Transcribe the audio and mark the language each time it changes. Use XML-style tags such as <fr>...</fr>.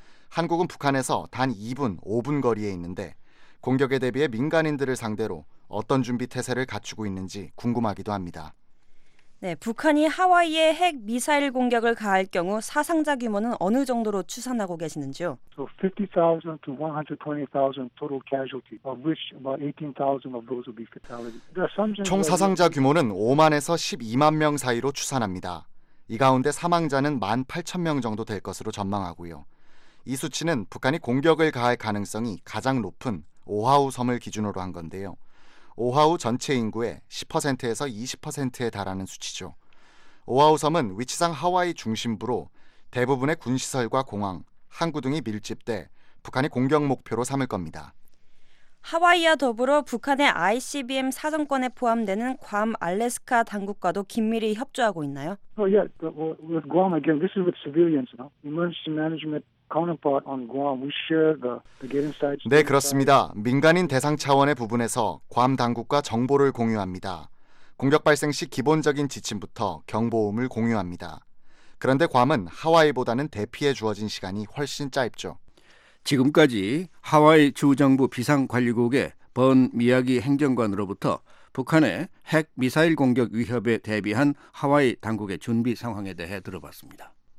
<ko>한국은 북한에서 단 2분, 5분 거리에 있는데 공격에 대비해 민간인들을 상대로 어떤 준비 태세를 갖추고 있는지 궁금하기도 합니다. 네, 북한이 하와이에 핵 미사일 공격을 가할 경우 사상자 규모는 어느 정도로 추산하고 계시는지요?</ko> <en>So 50,000 to 120,000 total casualties, of which about 18,000 of those will be fatalities.</en> <ko>총 사상자 규모는 5만에서 12만 명 사이로 추산합니다. 이 가운데 사망자는 18,000명 정도 될 것으로 전망하고요. 이 수치는 북한이 공격을 가할 가능성이 가장 높은 오하우 섬을 기준으로 한 건데요. 오하우 전체 인구의 10%에서 20%에 달하는 수치죠. 오하우 섬은 위치상 하와이 중심부로 대부분의 군시설과 공항, 항구 등이 밀집돼 북한이 공격 목표로 삼을 겁니다. 하와이와 더불어 북한의 ICBM 사정권에 포함되는 괌, 알래스카 당국과도 긴밀히 협조하고 있나요?</ko> <en>Oh yeah, with Guam again. This is with civilians now. Emergency management. Counterpart on Guam, we share the get inside.</en> <ko>네, 그렇습니다. 민간인 대상 차원의 부분에서 괌 당국과 정보를 공유합니다. 공격 발생 시 기본적인 지침부터 경보음을 공유합니다. 그런데 괌은 하와이보다는 대피에 주어진 시간이 훨씬 짧죠. 지금까지 하와이 주정부 비상관리국의 번 미야기 행정관으로부터 북한의 핵 미사일 공격 위협에 대비한 하와이 당국의 준비 상황에 대해 들어봤습니다.</ko>